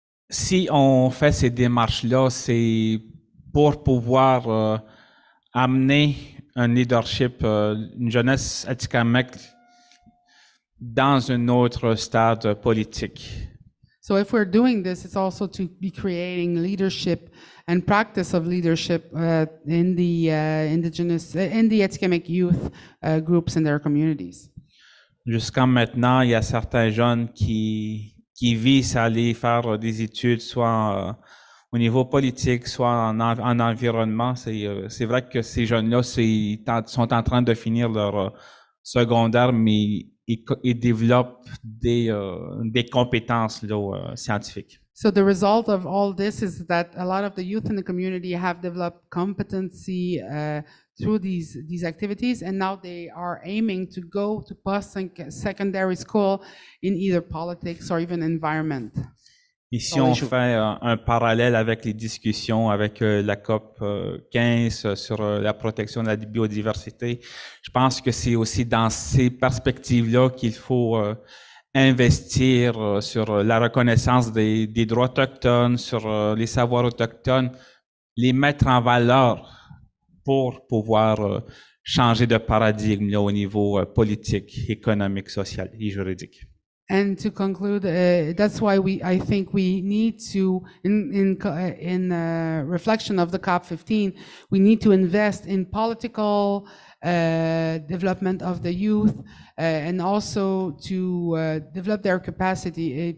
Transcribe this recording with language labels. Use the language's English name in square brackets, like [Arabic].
[French] Si on fait ces démarches-là, c'est pour pouvoir amener un leadership, une jeunesse Atikamekw dans un autre stade politique. [English] So if we're doing this, it's also to be creating leadership and practice of leadership in the indigenous, in the Atikamekw youth groups in their communities. [French] Jusqu'à maintenant, il y a certains jeunes qui visent à aller faire des études, soit au niveau politique, soit en environnement. C'est vrai que ces jeunes-là sont en train de finir leur secondaire, mais ils développent des compétences là, scientifiques. [English] So the result of all this is that a lot of the youth in the community have developed competency through these activities, and now they are aiming to go to post-secondary school in either politics or even environment. [French] Et si on fait un parallèle avec les discussions avec la COP 15 sur la protection de la biodiversité, je pense que c'est aussi dans ces perspectives-là qu'il faut investir sur la reconnaissance des droits autochtones, sur les savoirs autochtones, les mettre en valeur pour pouvoir changer de paradigme là, au niveau politique, économique, social et juridique. [English] And to conclude, that's why I think we need to, in reflection of the COP 15, we need to invest in political development of the youth, and also to develop their capacity.